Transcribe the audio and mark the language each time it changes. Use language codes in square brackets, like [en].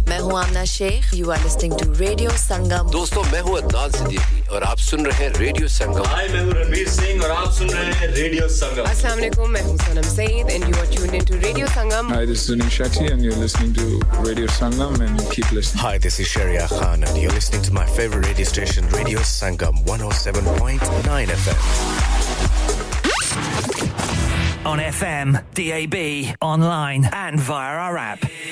[hi] Main hu [en] Amna Sheikh. You are listening to Radio Sangam. [hi] Dosto, main hu Adnan Siddiqui. और आप सुन रहे हैं radio संगम। हाय, मैं हूं रणवीर सिंह और आप सुन रहे हैं रेडियो संगम। अस्सलाम वालेकुम, मैं हूं [en] Sanam Saeed and you are tuned into radio Sangam. Hi, this is Sunil Shetty and you are listening to radio Sangam and keep listening. Hi, this is Shariya Khan and you are listening to my favourite radio station radio Sangam 107.9 FM. On FM, DAB, online, and via our app.